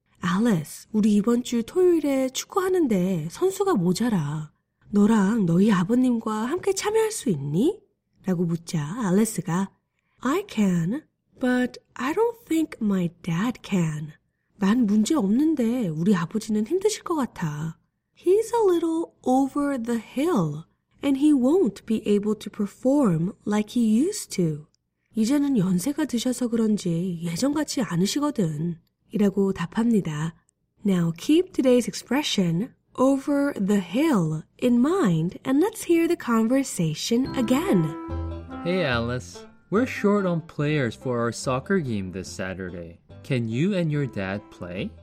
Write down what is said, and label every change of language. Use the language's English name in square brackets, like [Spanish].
[Korean] Alice, 우리 이번 주 토요일에 축구하는데 선수가 모자라. 너랑 너희 아버님과 함께 참여할 수 있니? 라고 묻자 앨리스가 [English] I can, but I don't think my dad can. [Korean] 난 문제 없는데 우리 아버지는 힘드실 것 같아. [English] He's a little over the hill, and he won't be able to perform like he used to. [Korean] 이제는 연세가 드셔서 그런지 예전 같지 않으시거든. 이라고 답합니다. [English] Now keep today's expression, over the hill, in mind, and let's hear the conversation again. Hey Alice, we're short on players for our soccer game this Saturday. Can you and your dad play?